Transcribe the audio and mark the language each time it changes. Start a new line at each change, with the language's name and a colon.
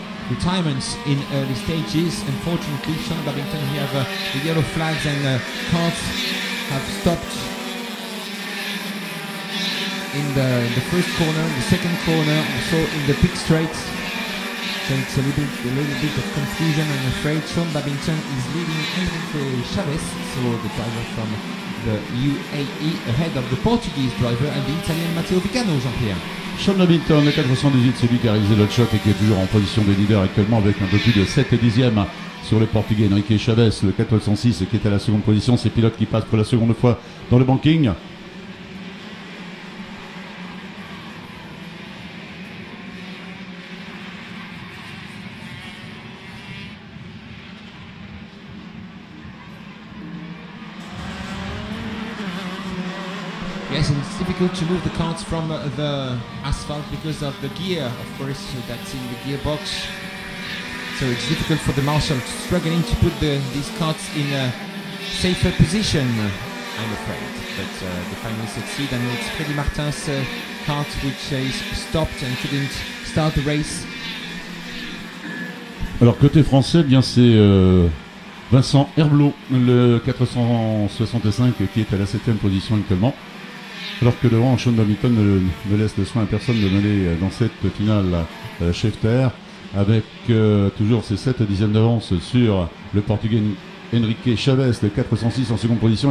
English: retirements in early stages. Unfortunately, Sean Babington, he have the yellow flags and cards have stopped in the first corner, in the second corner, also in the pit straight. So it's a little bit of confusion, I'm afraid. Sean Babington is leading Enrique Chavez, so the driver from the UAE, ahead of the Portuguese driver and the Italian Matteo Vigano, Jean-Pierre.
French: Sean Babington, le 418, celui qui a réalisé l'autre shot et qui est toujours en position de leader actuellement avec un peu plus de 7 dixièmes sur le Portugais Enrique Chavez, le 406 qui est à la seconde position, ces pilotes qui passent pour la seconde fois dans le banking.
English: To move the cards from the asphalt because of the gear, of course, that's in the gearbox. So it's difficult for the marshal struggling to put these cards in a safer position, I'm afraid. But they finally succeed, and it's Freddy Martin's cart which is stopped and couldn't start the race.
French: Alors, côté français, bien c'est Vincent Herblot, le 465, qui est à la 7ème position actuellement. Alors que devant, Sean Babington ne laisse le soin à personne de mener dans cette finale Schefter, avec toujours ses 7 dixièmes d'avance sur le Portugais Enrique Chavez, le 406 en seconde position.